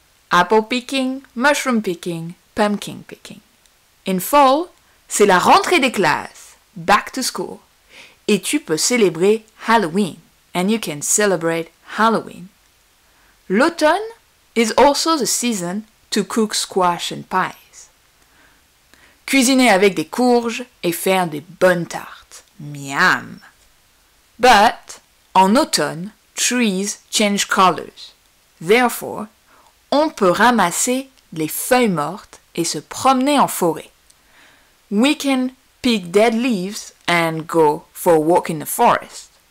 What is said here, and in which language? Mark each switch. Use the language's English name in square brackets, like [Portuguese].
[English] Apple picking, mushroom picking, pumpkin picking. In fall, [French] c'est la rentrée des classes, [English] back to school. [French] Et tu peux célébrer Halloween. [English] And you can celebrate Halloween. L'automne is also the season to cook squash and pies. [French] Cuisiner avec des courges et faire des bonnes tartes. Miam! [English] But, [French] en automne, [English] trees change colors. [French] Therefore, on peut ramasser les feuilles mortes et se promener en forêt. [English] We can pick dead leaves and go for a walk in the forest.